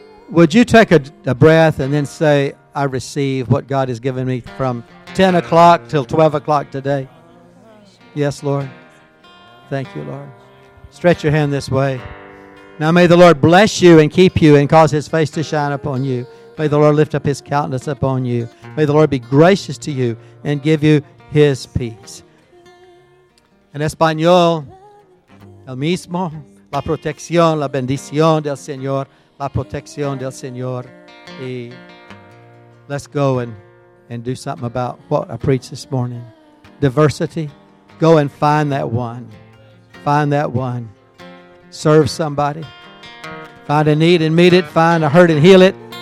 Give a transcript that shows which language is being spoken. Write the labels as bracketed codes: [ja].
[en] Would you take a breath and then say, I receive what God has given me from 10 o'clock till 12 o'clock today? Yes, Lord. Thank you, Lord. Stretch your hand this way. Now may the Lord bless you and keep you and cause His face to shine upon you. May the Lord lift up His countenance upon you. May the Lord be gracious to you and give you His peace. [es] En español, el mismo, la protección, la bendición del Señor. La protección del Señor. [en] Let's go and do something about what I preached this morning. Diversity. Go and find that one. Find that one. Serve somebody. Find a need and meet it. Find a hurt and heal it.